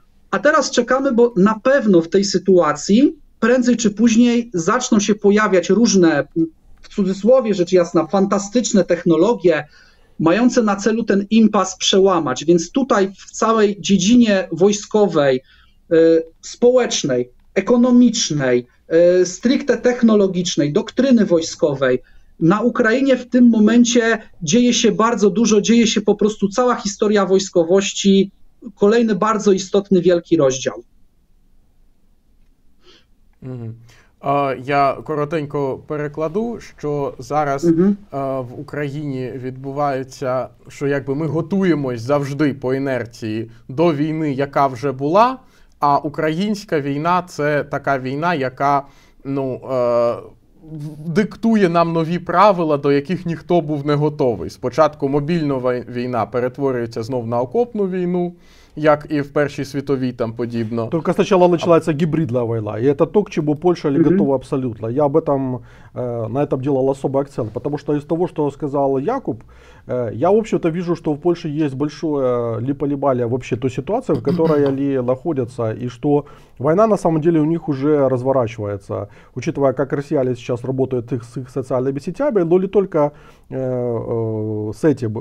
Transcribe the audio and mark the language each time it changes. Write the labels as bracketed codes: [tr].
[pl] a teraz czekamy, bo na pewno w tej sytuacji prędzej czy później zaczną się pojawiać różne, w cudzysłowie rzecz jasna, fantastyczne technologie mające na celu ten impas przełamać, więc tutaj w całej dziedzinie wojskowej, społecznej, ekonomicznej, stricte technologicznej, doktryny wojskowej. Na Ukrainie w tym momencie dzieje się bardzo dużo, dzieje się po prostu cała historia wojskowości, kolejny bardzo istotny, wielki rozdział. [uk] Я коротенько перекладу, що зараз в Україні відбувається, що якби ми готуємось завжди по інерції до війни, яка вже була, а українська війна – це така війна, яка, ну, диктує нам нові правила, до яких ніхто був не готовий. Спочатку мобільна війна перетворюється знов на окопну війну, як і в Першій світовій там подібно. Тільки спочатку починається гібридна війна. І це то, к чому Польща не готова абсолютно. [ru] Я об этом на этом делал особый акцент, потому что из того, что сказал Якуб, я, в общем-то, вижу, что в Польше есть большое липо-либале вообще той ситуации, в которой они находятся, и что война на самом деле у них уже разворачивается, учитывая, как россияне сейчас работают с их социальными сетями, но не только с этим.